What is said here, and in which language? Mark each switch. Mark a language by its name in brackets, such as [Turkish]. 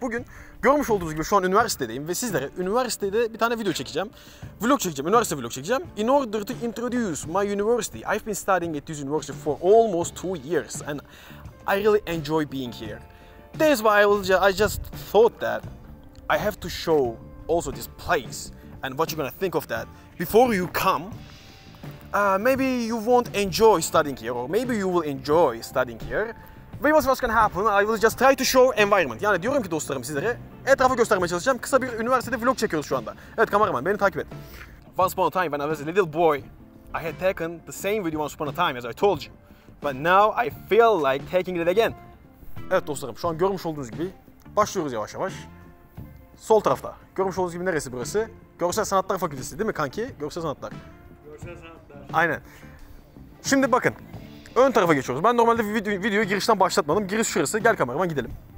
[Turkish] Bugün görmüş olduğunuz gibi şu an üniversitedeyim ve sizlere üniversitede bir tane video çekeceğim. Vlog çekeceğim, üniversite vlog çekeceğim. [English] In order to introduce my university, I've been studying at this university for almost 2 years and I really enjoy being here. That's why I just thought that I have to show also this place and what you're gonna think of that before you come. Maybe you won't enjoy studying here, or maybe you will enjoy studying here. But what's gonna happen? I will just try to show environment. [Turkish] Yani diyorum ki dostlarım sizlere, etrafı göstermeye çalışacağım. Kısa bir üniversitede vlog çekiyoruz şu anda. Evet kameraman, beni takip et. [English] Once upon a time when I was a little boy, I had taken the same video once upon a time as I told you. But now I feel like taking it again. [Turkish] Evet dostlarım, şu an görmüş olduğunuz gibi başlıyoruz yavaş yavaş. Sol tarafta. Görmüş olduğunuz gibi neresi burası? Görsel Sanatlar Fakültesi değil mi kanki? Görsel Sanatlar. Aynen. Şimdi bakın. Ön tarafa geçiyoruz. Ben normalde videoyu girişten başlatmadım. Giriş şurası. Gel kameraman gidelim.